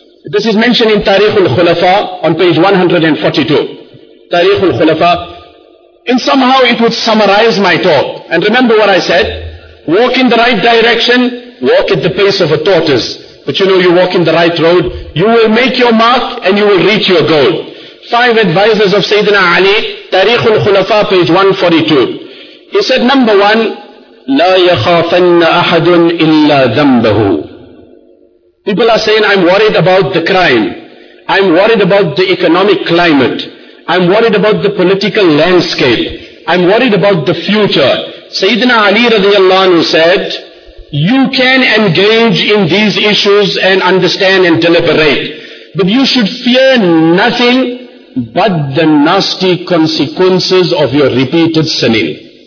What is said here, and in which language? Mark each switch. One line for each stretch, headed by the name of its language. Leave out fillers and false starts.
English: This is mentioned in Tariq al-Khulafa on page 142. Tariq al-Khulafa. And somehow it would summarize my talk. And remember what I said, walk in the right direction, walk at the pace of a tortoise. But you know, you walk in the right road, you will make your mark and you will reach your goal. Five advisors of Sayyidina Ali, Tariq al-Khulafa, page 142. He said, number one,
Arabic: لَا يَخَافَنَّ أَحَدٌ إِلَّا ذَنْبَهُ.
English: People are saying, I'm worried about the crime. I'm worried about the economic climate. I'm worried about the political landscape. I'm worried about the future. Sayyidina Ali radiallahu anhu said, you can engage in these issues and understand and deliberate, but you should fear nothing but the nasty consequences of your repeated sinning.